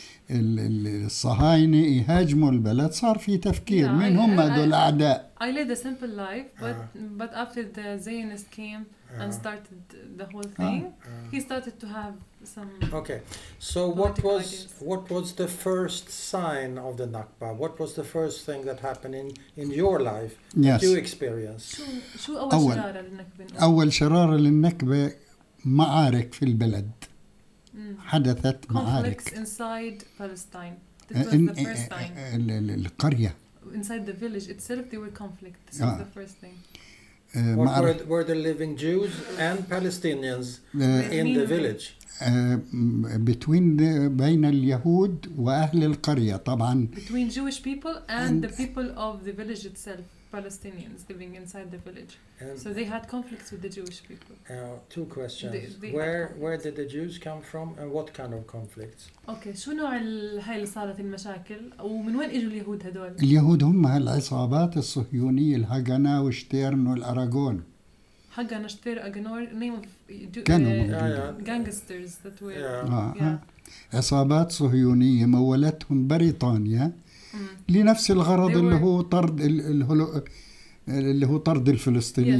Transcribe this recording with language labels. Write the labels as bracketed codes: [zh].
[ar] الصهاينة يهاجموا البلد صار في تفكير [en] yeah, [ar] من هم هذول الأعداء. [en] I led a simple life but but after the Zionists came and started the whole thing he started to have some okay so what was ideas. What was the first sign of the Nakba, what was the first thing that happened in your life that yes. you experienced [ar] شو أول شرارة للنكبة أول شرارة للنكبة معارك في البلد حدثت معارك [en] inside Palestine. This was the first time. [ar] القرية. [en] Inside the village itself, there were conflicts. This was the first thing. Were there living Jews and Palestinians in the village? Between the [ar] بين اليهود وأهل القرية طبعا. [en] Between Jewish people and the people of the village itself, Palestinians living inside the village. So they had conflicts with the Jewish people. Two questions. Where did the Jews come from and what kind of conflicts? Okay, [ar] شو نوع هاي اللي صارت المشاكل ومن وين اجوا اليهود هذول؟ اليهود هم هالعصابات الصهيونية الهاغانا وشتيرن والأراغون. هاغانا شتير أغنور [en] name of [ar] كانوا [en] gangsters that were [ar] عصابات صهيونية مولتهم بريطانيا لنفس الغرض اللي هو طرد اللي هو طرد الفلسطينيين